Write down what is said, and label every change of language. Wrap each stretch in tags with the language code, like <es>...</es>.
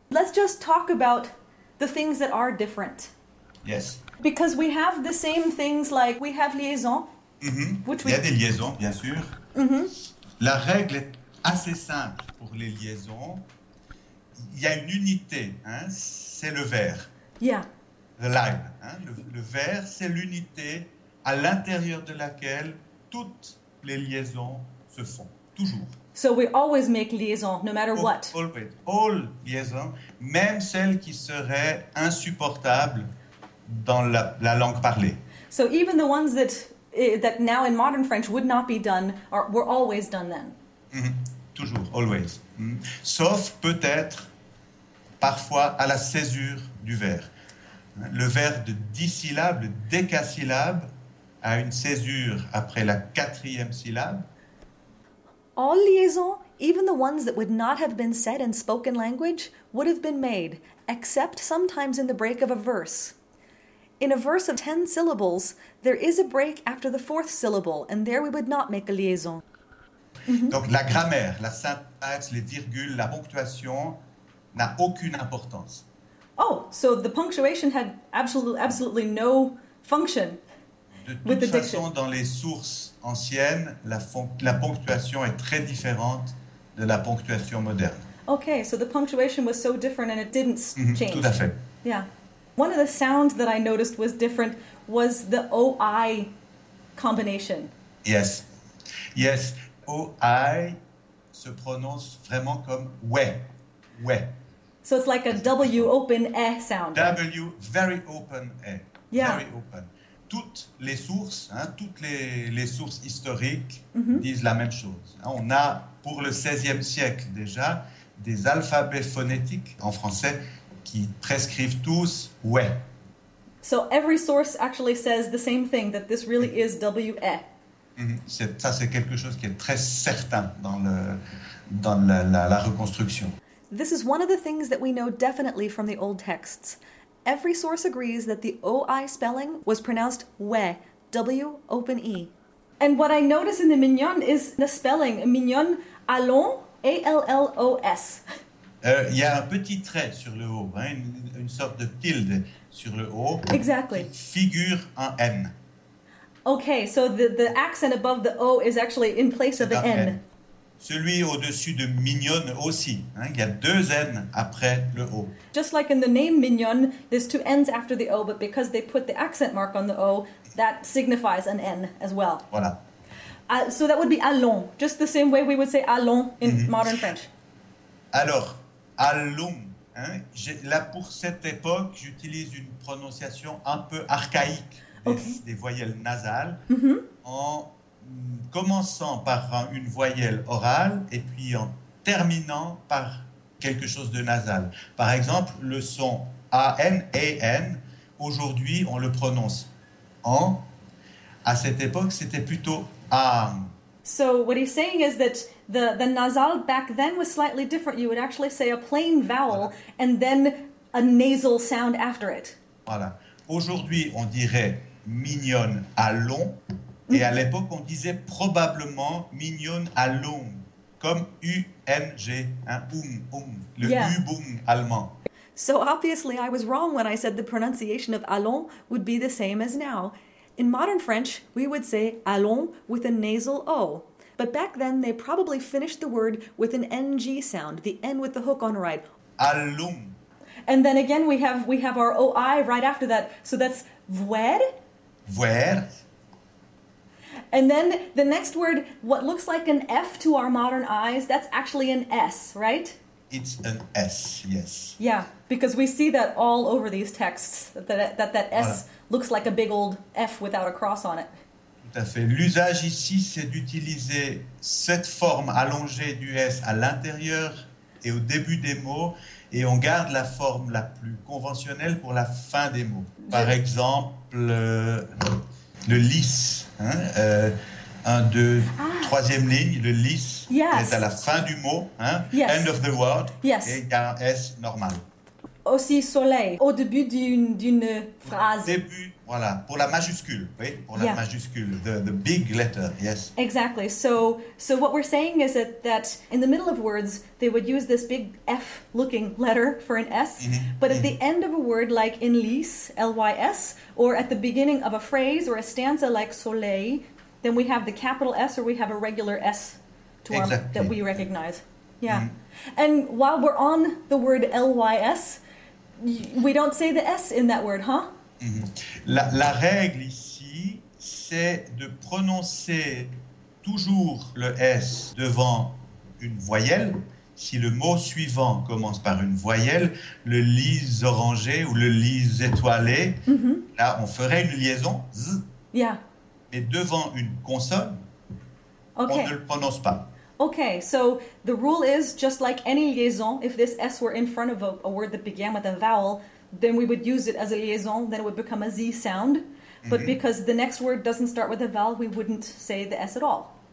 <en>Let's just talk about the things that are different. Yes. Because we have the same things like we have liaison.</en> <fr>Mm-hmm. Which il y a des liaisons, bien sûr. Mm-hmm. La règle est assez simple pour les liaisons. Il y a une unité, hein, c'est le verbe.</fr> <en>Yeah. The line,</en> <fr>hein, le verbe, c'est l'unité à l'intérieur de laquelle toutes les liaisons se font, toujours.</fr> <en>So we always make liaison, no matter what. Always, all liaison,</en> <fr>même celle qui serait insupportable dans la langue parlée.</fr> <en>So even the ones that now in modern French would not be done, or were always done then.</en> <fr>Mm-hmm. Toujours,</fr> <en>always.</en> <fr>Mm-hmm. Sauf peut-être, parfois, à la césure du verbe. Le verbe de 10 syllabes, décasyllabe, a une césure après la quatrième syllabe.</fr> <en>All liaisons, even the ones that would not have been said in spoken language, would have been made, except sometimes in the break of a verse. In a verse of 10 syllables, there is a break after the fourth syllable, and there we would not make a liaison.</en> <fr>Donc la grammaire, la syntaxe, les virgules, la ponctuation n'a aucune importance.</fr> <en>Oh, so the punctuation had absolutely no function.</en> <fr>De toute façon, dans les sources anciennes, la ponctuation est très différente de la ponctuation moderne.</fr> <en>Okay, so the punctuation was so different and it didn't change.</en> <fr>Tout à fait.</fr> <en>Yeah. One of the sounds that I noticed was different was the O-I combination. Yes. Yes.</en> <fr>O-I se prononce vraiment comme ouais. Ouais.</fr> <en>So it's like a W open E sound. W, very open E. Yeah. Very open.</en> <fr>Toutes les sources, hein, toutes les sources historiques mm-hmm. disent la même chose. On a, pour le XVIe siècle déjà, des alphabets phonétiques en français qui prescrivent tous « ouais ».</fr> <en>So every source actually says the same thing, that this really is « w-e ».</en> <fr>Ça, c'est quelque chose qui est très certain dans la reconstruction.</fr> <en>This is one of the things that we know definitely from the old texts. Every source agrees that the O-I spelling was pronounced we, W open E. And what I notice in the mignon is the spelling, mignon, allons, A-L-L-O-S.</en> <fr>Il y a un petit trait sur le O, hein, une sorte de tilde sur le O.</fr> <en>Exactly.</en> <fr>Qui figure un N.</fr> <en>Okay, so the accent above the O is actually in place</en> <fr>c'est</fr> <en>of the N.</en> <fr>Celui au-dessus de mignonne aussi. Hein, il y a deux N après le O.</fr> <en>Just like in the name mignonne, there's two N's after the O, but because they put the accent mark on the O, that signifies an N as well.</en> <fr>Voilà.</fr> <en>So that would be allons, just the same way we would say allons in mm-hmm. modern French.</en> <fr>Alors, allons. Hein, là, pour cette époque, j'utilise une prononciation un peu archaïque des voyelles nasales. Mm-hmm. En commençant par une voyelle orale et puis en terminant par quelque chose de nasal. Par exemple, le son A-N-A-N aujourd'hui on le prononce en. À cette époque, c'était plutôt am.</fr> <en>So what he's saying is that the nasal back then was slightly different. You would actually say a plain vowel and then a nasal sound after it.</en> <fr>Voilà. Aujourd'hui, on dirait mignonne à long, et à l'époque, on disait probablement mignonne à long, comme U-M-G, hein, le yeah. U-boom allemand.</fr> <en>So obviously, I was wrong when I said the pronunciation of allons would be the same as now. In modern French, we would say allons with a nasal O. But back then, they probably finished the word with an N-G sound, the N with the hook on right.</en> <fr>Allons.</fr> <en>And then again, we have our O-I right after that. So that's voir.</en> <fr>Voir.</fr> <en>And then the next word, what looks like an F to our modern eyes, that's actually an S, right? It's an S, yes. Yeah, because we see that all over these texts, that S voilà. Looks like a big old F without a cross on it.</en> <fr>Tout à fait. L'usage ici, c'est d'utiliser cette forme allongée du S à l'intérieur et au début des mots, et on garde la forme la plus conventionnelle pour la fin des mots. Par exemple, le lys. Hein, un, deux, troisième ligne, le lys</fr> <en>yes.</en> <fr>est à la fin du mot. Hein,</fr> <en>yes. End of the word. Yes.</en> <fr>Et il y a un S normal. Aussi soleil, au début d'une phrase. Au début, voilà, pour la majuscule. Oui, pour la majuscule.</fr> <en>The big letter, yes. Exactly. So what we're saying is that in the middle of words, they would use this big F-looking letter for an S. Mm-hmm. But at the end of a word, like in lys, L-Y-S, or at the beginning of a phrase or a stanza like soleil, then we have the capital S or we have a regular S to exactly. That we recognize. Yeah. Mm-hmm. And while we're on the word L-Y-S, we don't say the S in that word, huh? Mm-hmm.</en> <fr>La règle ici, c'est de prononcer toujours le S devant une voyelle. Si le mot suivant commence par une voyelle, le lys orangé ou le lys étoilé, là, on ferait une liaison Z.</fr> <en>Yeah.</en> <fr>Mais devant une consonne, on ne le prononce pas.</fr> <en>Okay, so the rule is, just like any liaison, if this S were in front of a word that began with a vowel, then we would use it as a liaison, then it would become a Z sound. But mm-hmm. because the next word doesn't start with a vowel, we wouldn't say the S at all.</en>